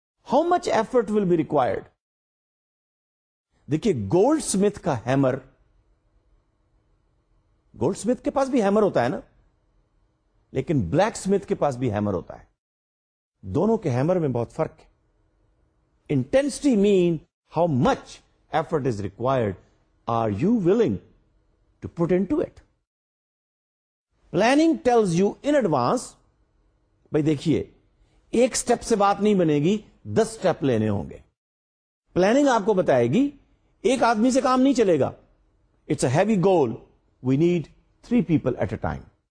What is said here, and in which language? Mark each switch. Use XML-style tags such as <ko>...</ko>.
<en>How much effort will be required?</en> <ur>دیکھیے gold Smith کا hammer, gold Smith کے پاس بھی ہیمر ہوتا ہے نا, لیکن بلیک اسمتھ کے پاس بھی ہیمر ہوتا ہے, دونوں کے ہیمر میں بہت فرق ہے.</ur> <en>Intensity mean how much effort is required, are you willing to put into it? Planning tells you in advance,</en> <ur>بھائی دیکھیے ایک step سے بات نہیں بنے گی, 10 step لینے ہوں گے. Planning آپ کو بتائے گی ایک آدمی سے کام نہیں چلے گا,</ur> <en>it's a heavy goal, we need 3 people at a time.</en>